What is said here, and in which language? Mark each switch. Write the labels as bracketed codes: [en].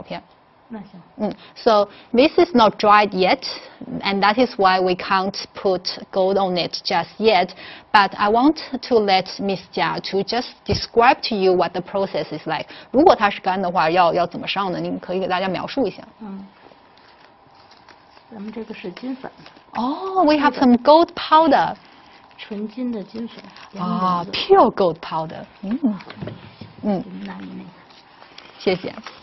[zh] Um,没有干也没关系,到时候我们直播以后上,上完了以后可以观众拍张照片。那行。So [en] this is not dried yet, and that is why we can't put gold on it just yet, but I want to let Miss Jia to just describe to you what the process is like. [zh] 如果它是干的话,要怎么上呢?你可以给大家描述一下。咱们这个是金粉。 [en] Oh, we have some gold powder. [zh] 纯金的金粉。 [en] Pure gold powder. [zh] 嗯。谢谢。